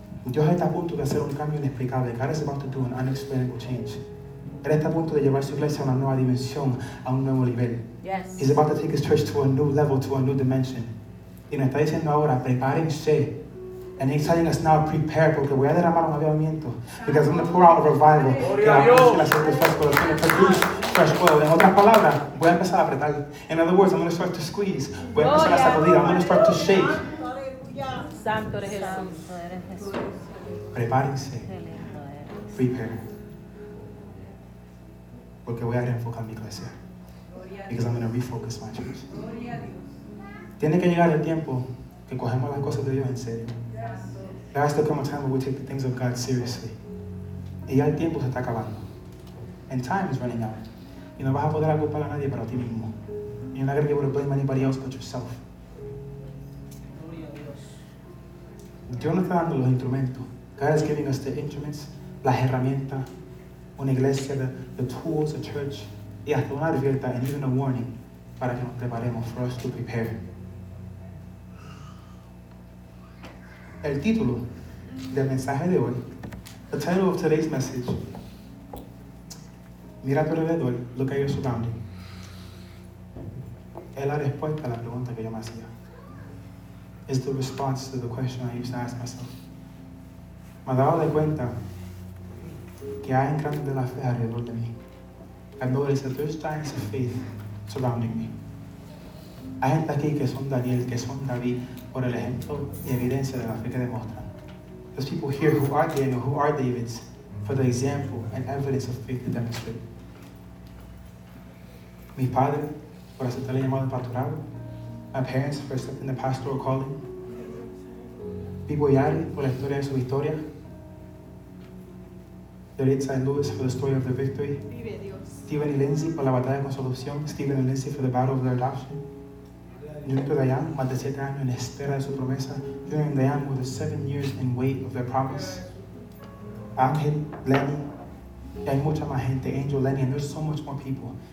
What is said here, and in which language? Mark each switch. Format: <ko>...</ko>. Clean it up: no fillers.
<es>Dios está a punto de hacer un cambio inexplicable.</es> <en>God is about to do an unexplainable change.</en> <es>Él está a punto de llevar su iglesia a una nueva dimensión, a un nuevo nivel.</es> <en>Yes. He's about to take his church to a new level, to a new dimension.</en> <es>Y nos está diciendo ahora, prepárense.</es> <en>And he's telling us now, prepare,</en> <es>porque voy a derramar un avivamiento.</es> <en>Because I'm going to pour out a revival.</en> <es>En otras palabras, voy a empezar a apretar.</es> <en>In other words, I'm going to start to squeeze.</en> <es>Voy a empezar a sacudir.</es> <en>I'm going to start to shake.</en> <es>Santo eres Jesús. Prepárense.</es> <en>prepare.</en> <es>Porque voy a reenfocar mi iglesia.</es> <en>Because I'm going to refocus my church.</en> <es>Tiene que llegar el tiempo que cogemos las cosas de Dios en serio.</es> <en>There has to come a time where we take the things of God seriously.</en> <es>Y ya el tiempo se está acabando.</es> <en>And time is running out.</en> <es>Y no vas a poder agrupar a nadie para ti mismo. Y no vas a poder</es> <en>blame anybody else but yourself.</en> <es>Dios nos está dando los instrumentos.</es> <en>God is giving us the instruments,</en> <es>las herramientas, una iglesia,</es> <en>the tools, a church,</en> <es>y hasta una advierta,</es> <en>and even a warning,</en> <es>para que nos preparemos,</es> <en>for us to prepare.</en> <es>El título del mensaje de hoy,</es> <en>the title of today's message,</en> <es>mira a tu alrededor,</es> <en>look at your surrounding,</en> <es>es la respuesta a la pregunta que yo me hacía.</es> <en>Is the response to the question I used to ask myself.</en> <es>Me he dado de cuenta que hay grandes de la fe alrededor de mí.</es> <en>I noticed that there's giants of faith surrounding me.</en> <es>Hay gente aquí que son Daniel, que son David, por el ejemplo y evidencia de la fe que demuestran.</es> <en>There's people here who are Daniel, who are Davids, for the example and evidence of faith they demonstrate.</en> <es>Mi padre, por aceptar el llamado pastoral.</es> <en>My parents, for accepting the pastoral calling.</en> <es>Pipo Yari, por la historia de su victoria.</es> <en>Yoritza and Lewis, for the story of the victory.</en> <es>Vive Dios. Steven y Lindsay, por la batalla con su adopción.</es> <en>Steven y Lindsay, for the battle of their adoption.</en> <es>Junito Dayan, más de 7 años en espera de su promesa.</es> <en>Junito and Dayan, with 7 years in wait of their promise. Ángel, Lenny,</en> <es>y hay mucha más gente.</es> <en>Angel, Lenny, and there's so much more people.</en>